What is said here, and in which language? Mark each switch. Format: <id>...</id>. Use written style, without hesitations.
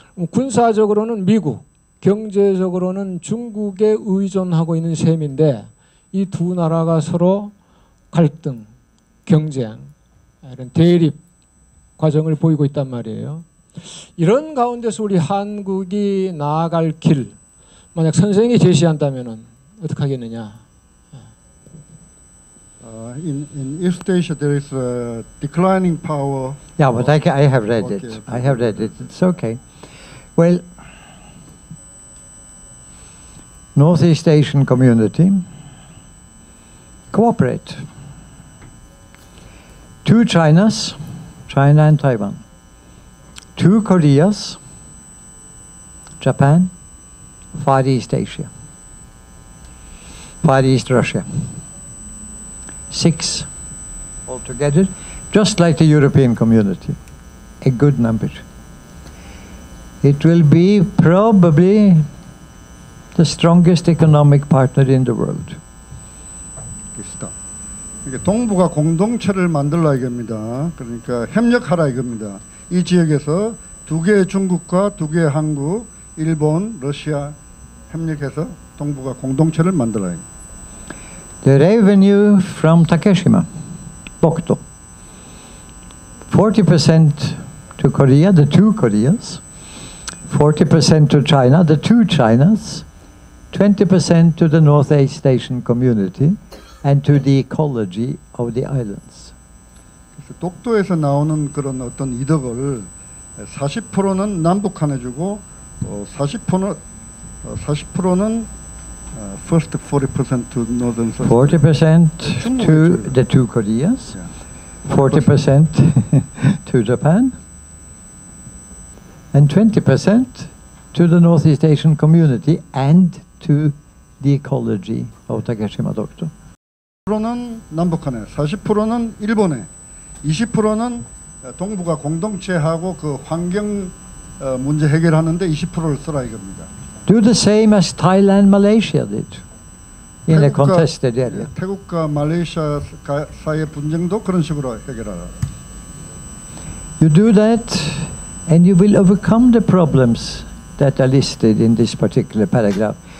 <ko>군사적으로는 미국, 경제적으로는 중국에 의존하고 있는 셈인데 이 두 나라가 서로 갈등, 경쟁, 이런 대립 과정을 보이고 있단 말이에요. 이런 가운데서 우리 한국이 나아갈 길, 만약 선생이 제시한다면 어떻게 하겠느냐?</ko> <en>In East Asia, there is a declining power. Yeah, but I have read it. I have read it. It's okay. Well, Northeast Asian community, cooperate. Two Chinas, China and Taiwan. Two Koreas, Japan, Far East Asia. Far East Russia. Six altogether, just like the European community, a good number. It will be probably the strongest economic partner in the world.</en> <ko>그렇다. 이게 동북아 공동체를 만들라 이겁니다. 그러니까 협력하라 이겁니다. 이 지역에서 두 개의 중국과 두 개의 한국, 일본, 러시아 협력해서 동북아 공동체를 만들라.</ko> <en>The revenue from Takeshima, Bokuto. 40% to Korea, the two Koreas. 40% to China, the two Chinas, 20% to the North East Asian community, and to the ecology of the islands.</en> <ko>그래서 독도에서 나오는 그런 어떤 이득을 40%는 남북한에 주고 40%는</ko> <en>first 40% to northern 40% to the two Koreas. Yeah. 40% to Japan. And 20% to the Northeast Asian community and to the ecology of Takeshima Dokto.</en> <ko>40%는 남북한에, 40%는 일본에, 20%는 동북아 공동체하고 그 환경 문제 해결하는데 20%를 쓰라 이겁니다.</ko> <en>Do the same as Thailand, Malaysia did in a contested area.</en> <ko>태국과 말레이시아 사이의 분쟁도 그런 식으로 해결하라.</ko> <en>You do that and you will overcome the problems that are listed in this particular paragraph.</en>